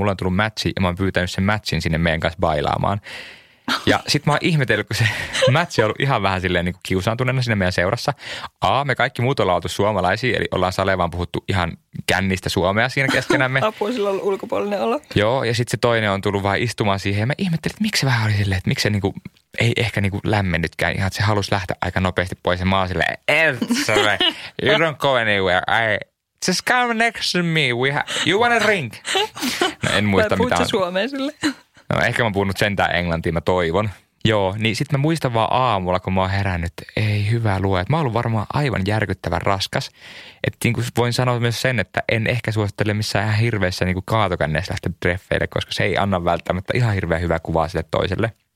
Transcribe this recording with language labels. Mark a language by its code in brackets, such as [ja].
[fi] Mulla on tullut matchi ja mä oon pyytänyt sen matchin sinne meidän kanssa bailaamaan. Ja sit mä oon ihmetellyt, kun se matchi on ollut ihan vähän silleen niin kuin kiusaantuneena sinne meidän seurassa. A, me kaikki muut ollaan oltu suomalaisia, eli ollaan Salevaan puhuttu ihan kännistä suomea siinä keskenämme. Apua, sillä on ollut ulkopuolinen olo. Joo, ja sit se toinen on tullut vaan istumaan siihen. Ja mä ihmettelin, että miksi se vähän oli silleen, että miksi se niin kuin ei ehkä niin kuin lämmennytkään. Ihan, että se halusi lähteä aika nopeasti pois. Ja mä oon silleen, [en] you don't go anywhere. I just come next to me. We have, you want a drink? [fi] No, en muista mitä on. Puhut sä suomea silleen? No ehkä mä oon puhunut sentään englantia, mä toivon. Joo, niin sit mä muistan vaan aamulla, kun mä oon herännyt, ei hyvä lue. Mä oon ollut varmaan aivan järkyttävän raskas. Että niin kuin voin sanoa myös sen, että en ehkä suosittele missään ihan hirveässä niin kuin kaatokänneessä lähteä treffeille, koska se ei anna välttämättä ihan hirveän hyvää kuvaa sille toiselle.